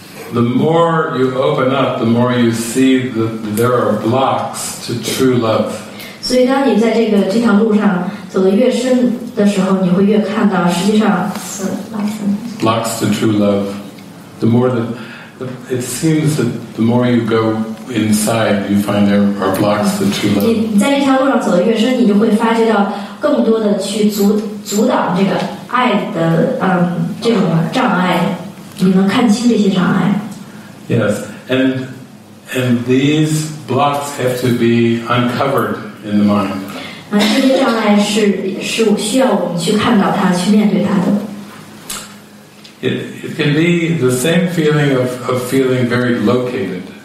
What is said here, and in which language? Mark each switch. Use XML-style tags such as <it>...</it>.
<en>The more you open up, the more you see that there are blocks to true love.</en> <zh>所以当你在这条路上走得越深的时候,你会越看到实际上...</zh> <en>Blocks to true love. The more that... It seems that the more you go inside, you find there are blocks to true love.</en> <zh>你在一条路上走得越深,你就会发觉到更多的去阻挡这个爱的这种障碍,你能看清这些障碍。</zh> <en>Yes, and these blocks have to be uncovered in the mind. It can be the same feeling of feeling very located.</en>